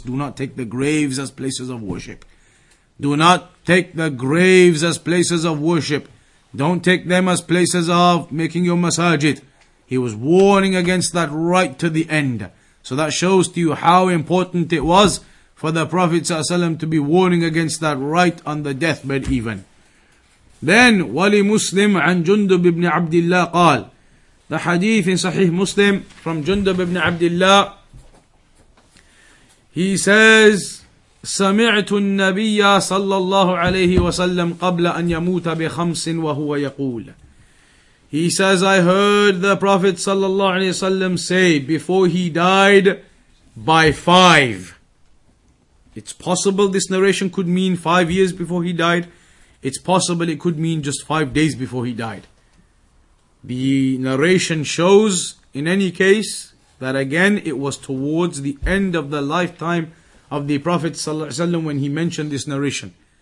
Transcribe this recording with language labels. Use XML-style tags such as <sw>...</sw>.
<en>Do not take the graves as places of worship. Do not take the graves as places of worship. Don't take them as places of making your masajid. He was warning against that right to the end. So that shows to you how important it was for the Prophet ﷺ to be warning against that right on the deathbed even. Then, Wali Muslim</en> <ar>عن جندب ابن عبد الله قال.</ar> <en>The hadith in Sahih Muslim from جندب ابن عبد الله. He says,</en> <ar>سمعت النبي صلى الله عليه وسلم قبل أن يموت بخمس وهو يقول.</ar> <en>He says, I heard the Prophet</en> <ar>صلى الله عليه وسلم</ar> <en>say before he died by five. It's possible this narration could mean 5 years before he died. It's possible it could mean just 5 days before he died. The narration shows, in any case, that again, it was towards the end of the lifetime of the Prophet ﷺ when he mentioned this narration.</en>